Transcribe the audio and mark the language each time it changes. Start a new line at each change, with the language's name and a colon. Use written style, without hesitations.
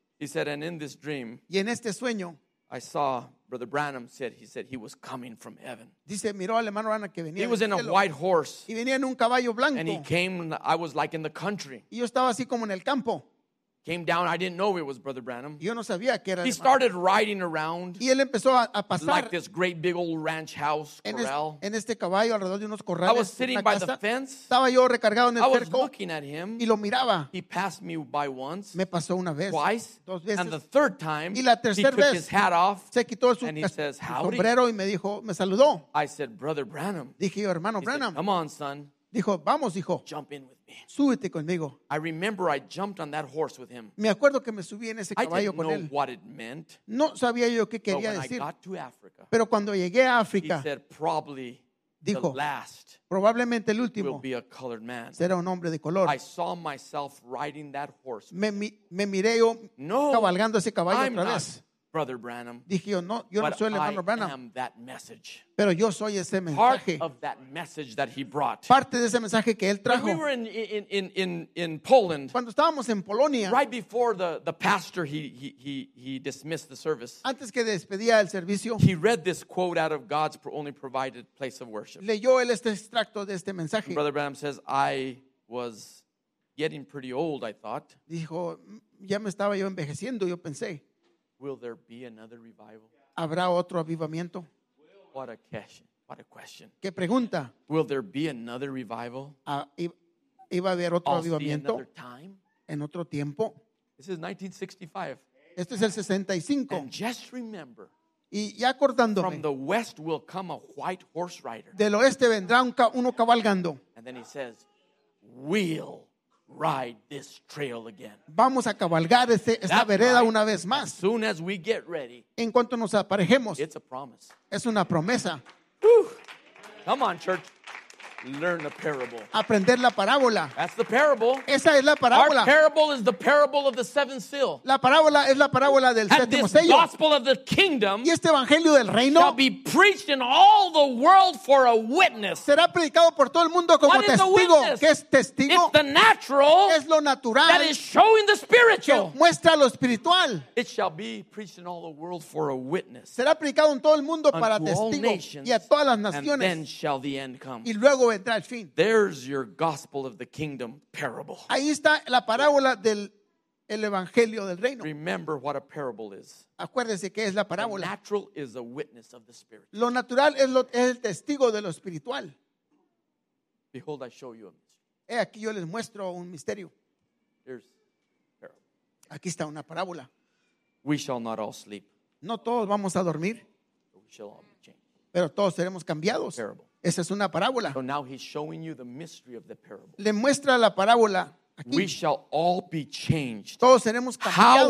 English: He said, and in this dream,
Spanish: y en este sueño,
English: I saw Brother Branham said, he said he was coming from heaven.
Spanish: Dice, miró al hermano Branham que venía
English: he was in
Spanish: cielo.
English: A white horse.
Spanish: Y venía en un caballo blanco.
English: And he came, I was like in the country.
Spanish: Y yo estaba así como en el campo.
English: Came down, I didn't know it was Brother Branham.
Spanish: Yo no sabía que era
English: he started riding around
Spanish: y él empezó a pasar
English: like this great big old ranch house corral.
Spanish: En este caballo alrededor de unos corrales,
English: I was sitting by
Spanish: casa.
English: The fence.
Spanish: Estaba yo recargado en el
English: I was
Spanish: cerco
English: looking at him.
Spanish: Y lo miraba.
English: He passed me by once.
Spanish: Me pasó una vez,
English: twice.
Spanish: Dos veces.
English: And the third time,
Spanish: y la tercera
English: he took
Spanish: vez,
English: his hat off
Spanish: se quitó su,
English: and he says, howdy.
Spanish: Sombrero y me dijo, me saludó.
English: I said, Brother Branham.
Spanish: Dije yo, hermano
English: he
Spanish: Branham.
English: Said, come on, son.
Spanish: Dijo, vamos, hijo.
English: Jump in with me.
Spanish: Súbete conmigo.
English: I remember I jumped on that horse with him.
Spanish: Me acuerdo que me subí en ese caballo con él.
English: I didn't know what it meant.
Spanish: No sabía yo qué quería decir.
English: But when I got to Africa,
Spanish: pero cuando llegué a África,
English: he said probably
Spanish: dijo,
English: the last
Spanish: probablemente el último
English: will be a colored man.
Spanish: Será un hombre de color.
English: I saw myself riding that horse.
Spanish: Me miré yo cabalgando ese caballo otra vez.
English: Brother Branham.
Spanish: Dije yo, no, yo no soy el hermano Branham.
English: I am that message.
Spanish: Pero yo soy ese mensaje.
English: Part of that message that he brought.
Spanish: Parte de ese mensaje que él trajo.
English: When we were in Poland.
Spanish: Cuando estábamos en Polonia.
English: Right before the pastor he dismissed the service.
Spanish: Antes que despedía el servicio.
English: He read this quote out of God's only provided place of worship.
Spanish: Leyó él este extracto de este mensaje.
English: And Brother Branham says, I was getting pretty old, I thought.
Spanish: Dijo, ya me estaba yo envejeciendo, yo pensé.
English: Will there be another revival?
Spanish: ¿Habrá otro avivamiento?
English: What a question. What a question.
Spanish: ¿Qué pregunta?
English: Will there be another revival?
Spanish: ¿Iba a haber otro
English: I'll
Spanish: avivamiento?
English: See another time?
Spanish: ¿En otro tiempo?
English: This is 1965.
Spanish: Esto es el 65.
English: And just remember.
Spanish: Y ya acordándome.
English: From the west will come a white horse rider.
Spanish: Del oeste vendrá uno cabalgando.
English: And then he says, "Will ride this trail again."
Spanish: Vamos a cabalgar esta vereda una vez más.
English: As soon as we get ready.
Spanish: En cuanto nos aparejemos.
English: It's a promise.
Spanish: Es una promesa.
English: Whew. Come on, church. Learn the parable.
Spanish: Aprender la parábola.
English: That's the parable.
Spanish: Esa es la parábola.
English: Our parable is the parable of the seventh seal.
Spanish: La parábola es la parábola del séptimo sello.
English: And this gospel of the kingdom.
Spanish: Y este evangelio del reino.
English: Shall be preached in all the world for a witness.
Spanish: Será predicado por todo el mundo como testigo. ¿Qué es testigo?
English: It's the natural.
Spanish: Es lo natural.
English: That is showing the spiritual.
Spanish: Muestra lo espiritual.
English: It shall be preached in all the world for a witness.
Spanish: Será predicado en todo el mundo para testigo. Y a todas las naciones.
English: And then shall the end come.
Spanish: Y luego.
English: There's your gospel of the kingdom parable.
Spanish: Ahí está la parábola del el evangelio del reino.
English: Remember what a parable is.
Spanish: Acuérdese qué es la parábola.
English: The natural is a witness of the spirit.
Spanish: Lo natural es lo es el testigo de lo espiritual.
English: Behold, I show you a mystery.
Spanish: He aquí yo les muestro un misterio.
English: Here's a parable.
Spanish: Aquí está una parábola.
English: We shall not all sleep.
Spanish: No todos vamos a dormir.
English: But we shall all be changed.
Spanish: Pero todos seremos cambiados.
English: Parable.
Spanish: Esa es una parábola.
English: So now he's showing you the mystery of the parable.
Spanish: Le muestra la parábola aquí.
English: We shall all be changed.
Spanish: Todos seremos cambiados.